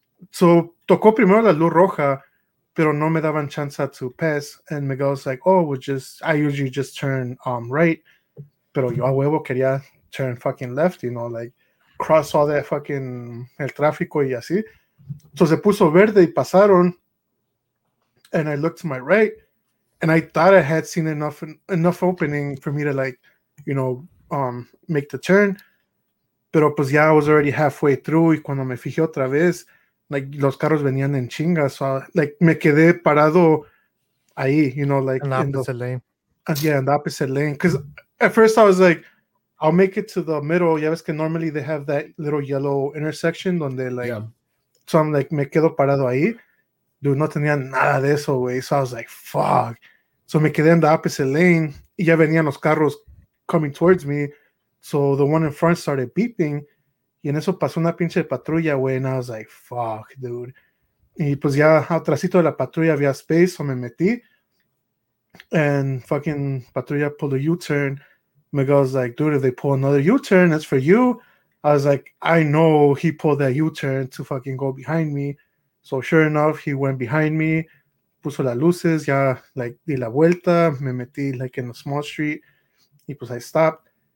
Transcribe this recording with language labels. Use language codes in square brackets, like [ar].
[es] So tocó primero la luz roja, pero no me daban chance [en] to pass. And Miguel's like, oh, I usually just turn right. [es] Pero yo a huevo quería [en] turn fucking left, you know, like cross all that fucking [es] el tráfico y así. [en] So [es] se puso verde y pasaron. [en] And I looked to my right and I thought I had seen enough opening for me to like, you know, make the turn. [es] Pero pues ya [en] I was already halfway through [es] y cuando me fijé otra vez, like, los carros venían en chingas. [en] So, like, [es] me quedé parado ahí, [en] you know, like... in the opposite lane. Because at first I was like, I'll make it to the middle. [es] Ya ves que [en] normally they have that little yellow intersection donde, like... Yeah. So I'm like, [es] me quedo parado ahí. Dude, no tenía nada de eso, güey. [en] So I was like, fuck. So me quedé in the opposite lane [es] y ya venían los carros [en] coming towards me, so the one in front started beeping, [es] y en eso pasó una pinche patrulla, güey, [en] and I was like, fuck, dude. [es] Y pues ya atrásito de la patrulla había space, so me metí. [en] And fucking patrulla pulled a U-turn. Miguel was like, dude, if they pull another U-turn, that's for you. I was like, I know he pulled that U-turn to fucking go behind me. So sure enough, he went behind me, [es] puso las luces, ya, [en] like, [es] di la vuelta, me metí, [en] like, in a small street, y pues I stopped.